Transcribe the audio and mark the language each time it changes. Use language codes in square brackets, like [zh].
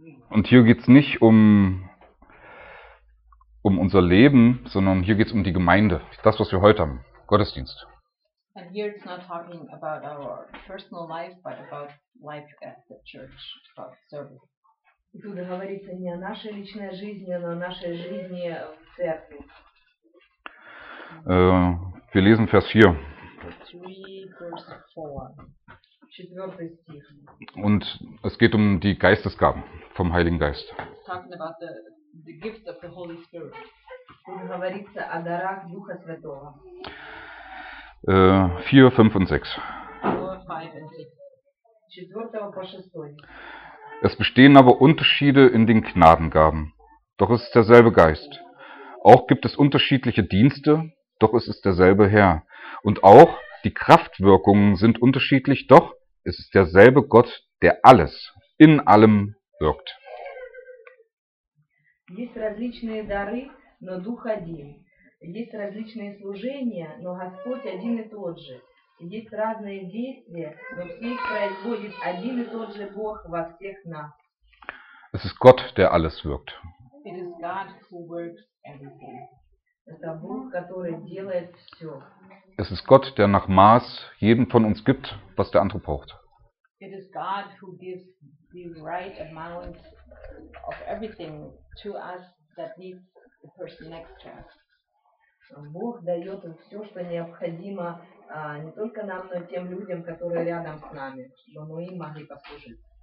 [de] Und hier geht es nicht um unser Leben, sondern hier geht es um die Gemeinde. Das, was wir heute haben. Gottesdienst. [en] And here it's not talking about our personal life, but about life at the church, about service. [ru] Тут говорится не о нашей личной жизни, но о нашей жизни в церкви. [de] Wir lesen Vers 4. [ru] 4. Stich. [de] Und es geht um die Geistesgaben vom Heiligen Geist. [en] Talking about the gifts of the Holy Spirit. [ru] Тут говорится о дарах Духа Святого. [de] 4, 5 und 6. [ru] 4 по 6. [de] Es bestehen aber Unterschiede in den Gnadengaben. Doch es ist derselbe Geist. Auch gibt es unterschiedliche Dienste. Doch es ist derselbe Herr. Und auch die Kraftwirkungen sind unterschiedlich. Doch es ist derselbe Gott, der alles in allem wirkt. [ru] Есть различные дары, но Дух один. Есть различные служения, но Господь один и тот же. Есть разные действия, но все их производит один и тот же Бог во всех нас. [de] Es ist Gott, der alles wirkt. [en] It is God who works everything. [ru] Это Бог, который делает все. [de] Es ist Gott, der nach Maß jedem von uns gibt, was der andere braucht. [en] It is God who gives the right amount of everything to us that needs the person next to us. [ru] Бог дает все, что необходимо не только нам, но и тем людям, которые рядом с нами, чтобы мы им могли послужить.